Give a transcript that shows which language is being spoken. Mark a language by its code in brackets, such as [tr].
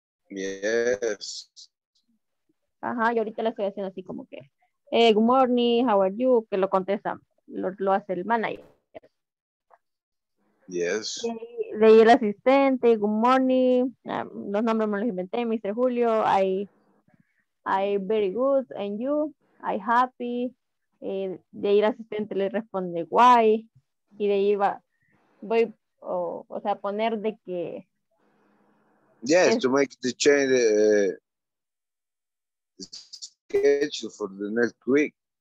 [en] Yes. [es] Ajá, y ahorita le estoy haciendo así como que [en] good morning, how are you, [es] que lo contesta, lo hace el manager. [en] Yes. [es] De ahí el asistente, [en] good morning, [es] los nombres me los inventé, Mr. [en] Julio, I very good, and you, I happy. [es] De ahí el asistente le responde why, y de ahí voy a poner de que. [en] Yes, to make the change the schedule for the next week.